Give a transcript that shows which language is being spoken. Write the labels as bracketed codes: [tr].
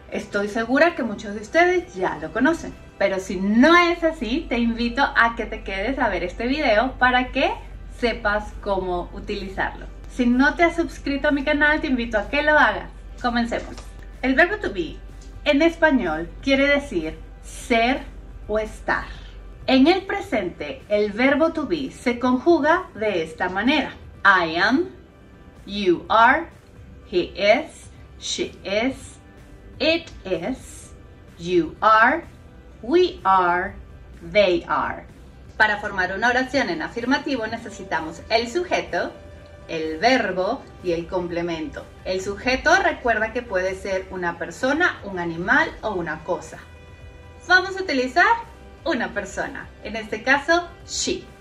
[es] Estoy segura que muchos de ustedes ya lo conocen. Pero si no es así, te invito a que te quedes a ver este video para que sepas cómo utilizarlo. Si no te has suscrito a mi canal, te invito a que lo hagas. Comencemos. El verbo to be en español quiere decir ser o estar. En el presente, el verbo to be se conjuga de esta manera. [en] I am, you are, he is, she is, it is, you are, we are, they are. [es] Para formar una oración en afirmativo necesitamos el sujeto, el verbo y el complemento. El sujeto recuerda que puede ser una persona, un animal o una cosa. Vamos a utilizar una persona, en este caso she.